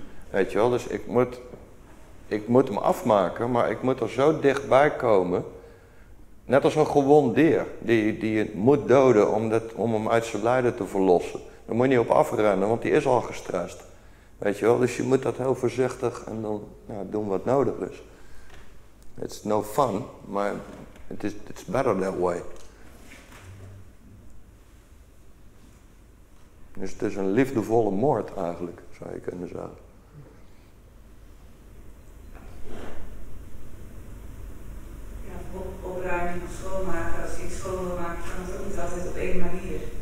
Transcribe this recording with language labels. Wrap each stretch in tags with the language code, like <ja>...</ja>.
<nl>Weet je wel, dus ik moet hem afmaken, maar ik moet er zo dichtbij komen, net als een gewond dier, die je moet doden om hem uit zijn lijden te verlossen. Daar moet je niet op afrennen, want die is al gestrest. Weet je wel, dus je moet dat heel voorzichtig en dan ja, doen wat nodig is.</nl> <en>It's no fun,</en> <nl>maar</nl> <en>it's better that way.</en> <nl>Dus het is een liefdevolle moord eigenlijk, zou je kunnen zeggen. Ja, opruiming of schoonmaken, als je iets schoon wil maken, kan het ook niet altijd op één manier.</nl>